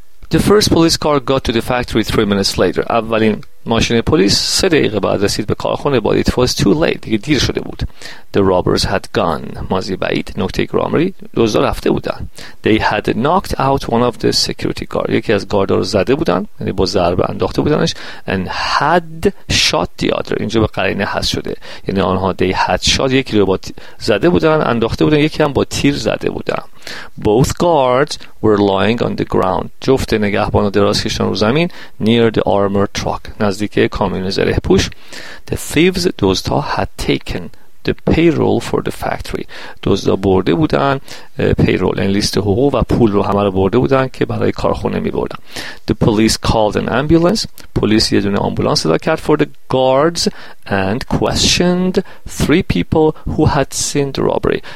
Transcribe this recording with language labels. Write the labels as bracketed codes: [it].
[en] The first police car got to the factory 3 minutes later. [fa] اولین ماشین پلیس 3 دقیقه بعد رسید به کارخونه. [en] But it was too late. [fa] دیگه دیر شده بود. [en] The robbers had gone. [fa] ماضی بعید. نکته گرامری. دزدا رفته بودن. [en] They had knocked out one of the security guard. [fa] یکی از گاردا رو زده بودن. یعنی با ضربه انداخته بودنش. [en] And had shot the other. [fa] اینجا به قرینه حذف شده. یعنی آنها [en] they had shot. [fa] یکی رو با زده بودن. انداخته بودن. یکی هم با تیر زده بودن. [en] Both guards were lying on the ground. [fa] جفت نگهبان و دراز کشتن رو زمین. [en] Near the armored truck. [fa] نزدیک کامیون زره پوش. [en] The thieves دوزتا had taken the payroll for the factory. [fa] دوزتا برده بودن [en] payroll and list [fa] حقوق و پول رو همه رو برده بودن که برای کارخونه می بردن. [en] The police called an ambulance. [fa] پلیس یه دونه آمبولانس صدا کرد [en] for the guards and questioned three people who had seen the robbery.